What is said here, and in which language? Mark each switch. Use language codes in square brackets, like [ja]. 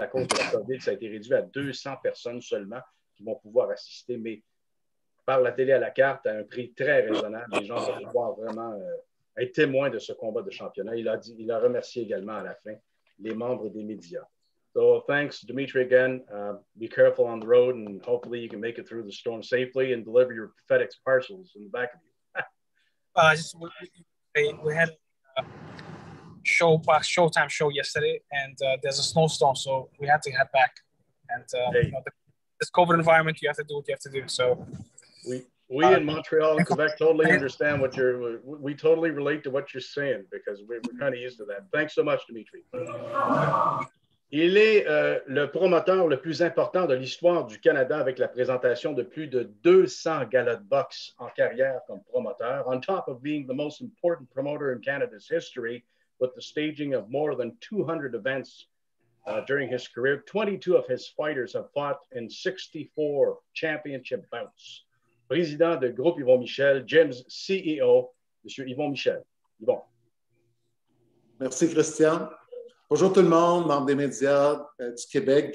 [fr] À cause de la COVID, ça a été réduit à 200 personnes seulement qui vont pouvoir assister, mais par la télé à la carte, à un prix très raisonnable, les gens vont pouvoir vraiment... est témoin de ce combat de championnat. Il a remercié également à la fin les membres des médias. [en] So thanks, Dimitri, again. Be careful on the road and hopefully you can make it through the storm safely and deliver your FedEx parcels in the back of you. we had Showtime show yesterday and there's a snowstorm, so we had to head back. And this COVID environment, you have to do what you have to do. So We in Montreal and Quebec totally understand what you're, we totally relate to what you're saying because we're kind of used to that. Thanks so much, Dimitri. [fr] Il est le promoteur le plus important de l'histoire du Canada avec la présentation de plus de 200 galas de boxe en carrière comme promoteur. [en] On top of being the most important promoter in Canada's history with the staging of more than 200 events during his career, 22 of his fighters have fought in 64 championship bouts. [fr] Président de groupe Yvon Michel, Jim's CEO, Monsieur Yvon Michel. Yvon. Merci, Christian. Bonjour tout le monde, membres des médias du Québec.